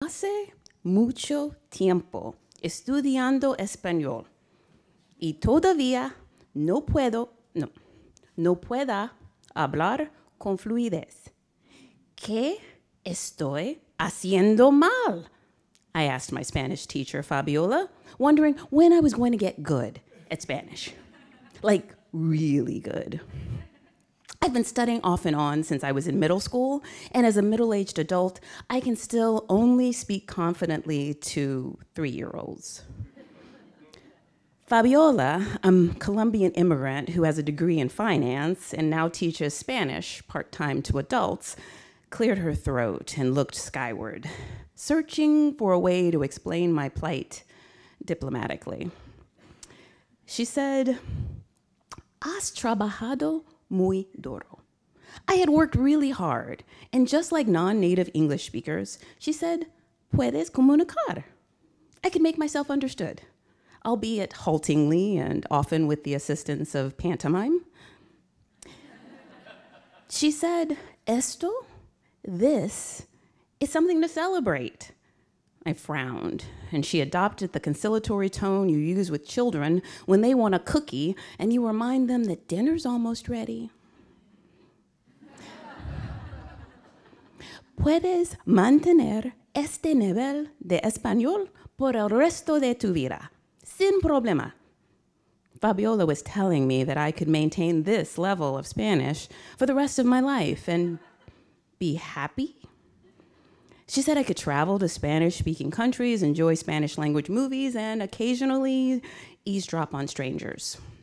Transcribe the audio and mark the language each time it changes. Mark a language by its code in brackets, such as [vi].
[es] hace mucho tiempo estudiando español y todavía no pueda hablar con fluidez. ¿Qué estoy haciendo mal? [en] I asked my Spanish teacher, Fabiola, wondering when I was going to get good at Spanish. Like, really good. I've been studying off and on since I was in middle school, and as a middle-aged adult, I can still only speak confidently to three-year-olds. Fabiola, a Colombian immigrant who has a degree in finance and now teaches Spanish part-time to adults, cleared her throat and looked skyward, searching for a way to explain my plight diplomatically. She said, [es] "Has trabajado muy duro." [en] I had worked really hard, and just like non-native English speakers, she said, [es] "Puedes comunicar." [en] I could make myself understood, albeit haltingly and often with the assistance of pantomime. She said, "Esto, this, is something to celebrate." I frowned, and she adopted the conciliatory tone you use with children when they want a cookie and you remind them that dinner's almost ready. [es] Puedes mantener este nivel de español por el resto de tu vida, sin problema. [en] Fabiola was telling me that I could maintain this level of Spanish for the rest of my life and be happy. She said I could travel to Spanish-speaking countries, enjoy Spanish language movies, and occasionally eavesdrop on strangers.